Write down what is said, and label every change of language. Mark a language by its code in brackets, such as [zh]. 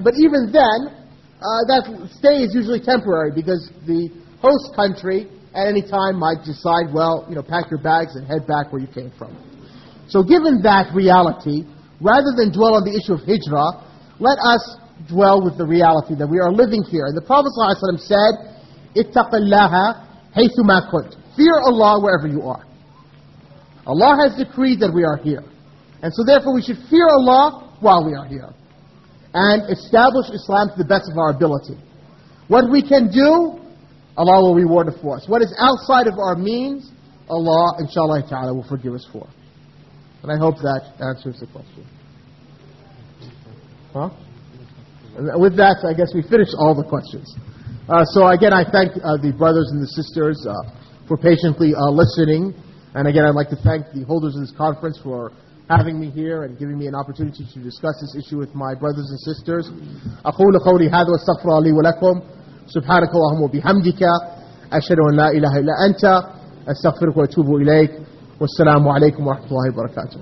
[en] But even then, that stay is usually temporary because the host country at any time might decide, well, pack your bags and head back where you came from. So given that reality, rather than dwell on the issue of hijrah, let us dwell with the reality that we are living here. And the Prophet ﷺ said, [ar] اتق الله حيث ما كنت. [en] Fear Allah wherever you are. Allah has decreed that we are here. And so therefore we should fear Allah while we are here. And establish Islam to the best of our ability. What we can do, Allah will reward it for us. What is outside of our means, Allah, inshallah ta'ala, will forgive us for. And I hope that answers the question. Huh? With that, I guess we finished all the questions. So again, I thank the brothers and the sisters for patiently listening. And again, I'd like to thank the holders of this conference for having me here and giving me an opportunity to discuss this issue with my brothers and sisters. [ar] أقول قولي هذا واستغفر لي ولكم سبحانك اللهم وبحمدك أشهد أن لا إله إلا أنت أستغفرك وأتوب إليك والسلام عليكم ورحمة الله وبركاته.